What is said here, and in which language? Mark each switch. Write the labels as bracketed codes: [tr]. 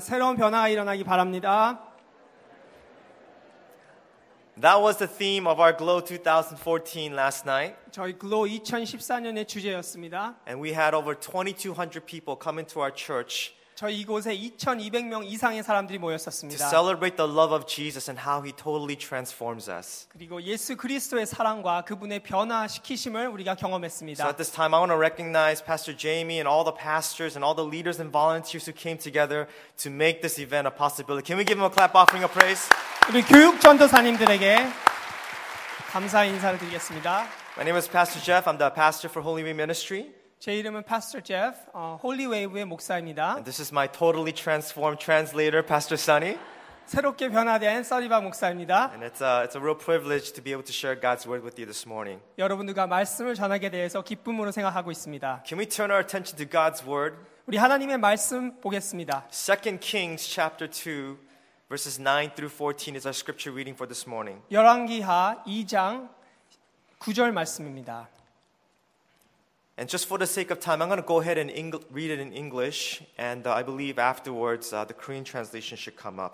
[ko] 새로운 변화가 일어나기 바랍니다. [en] That was the theme of our Glow 2014 last night. [ko] 저희 Glow 2014년의 주제였습니다. [en] And we had over 2200 people come into our church. [ko] 저희 이곳에 2,200명 이상의 사람들이 모였었습니다. [en] To celebrate the love of Jesus and how he totally transforms us. [ko] 그리고 예수 그리스도의 사랑과 그분의 변화시키심을 우리가 경험했습니다. [en] So at this time I want to recognize Pastor Jamie and all the pastors and all the leaders and volunteers who came together to make this event a possibility. Can we give him a clap offering of praise? [ko] 우리 교육 전도사님들에게 감사 인사를 드리겠습니다. [en] My name is Pastor Jeff. I'm the pastor for Holy Way Ministry. [ko] 제 이름은 Pastor Jeff, Holy Wave의 목사입니다. [en] And this is my totally transformed translator, Pastor Sunny. [ko] 새롭게 변화된 써니바 목사입니다. [en] And it's a real privilege to be able to share God's word with you this morning. [ko] 여러분들과 말씀을 전하게 돼서 기쁨으로 생각하고 있습니다. [en] Can we turn our attention to God's word? [ko] 우리 하나님의 말씀 보겠습니다. [en] 2 Kings chapter 2 verses 9 through 14 is our scripture reading for this morning. [ko] 열왕기하 2장 9절 말씀입니다. [en] And just for the sake of time, I'm going to go ahead and read it in English. And I believe afterwards, the Korean translation should come up.